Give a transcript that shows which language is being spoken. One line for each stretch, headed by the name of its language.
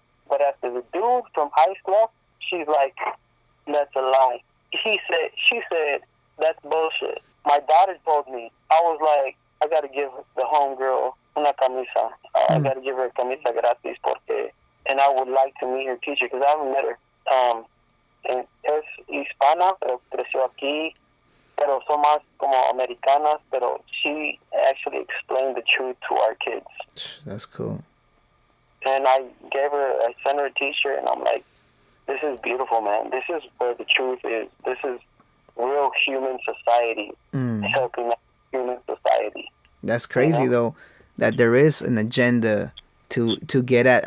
English: But after the dude from Ice left, she's like, let's alone. She said, that's bullshit. My daughter told me. I was like, I got to give the homegirl
Spanish: una camisa.
English: I got to give her a
Spanish: camisa gratis
English: porque, and I would like to meet her teacher because I haven't met her.
Spanish: Es hispana, pero creció aquí, pero son más como americanas, pero
English: she actually explained the truth to our kids. That's cool. And I sent her a t-shirt, and I'm like, this is beautiful, man. This is where the truth is. This is real human society, helping human society. That's crazy, you know? Though, that there is an agenda to get at.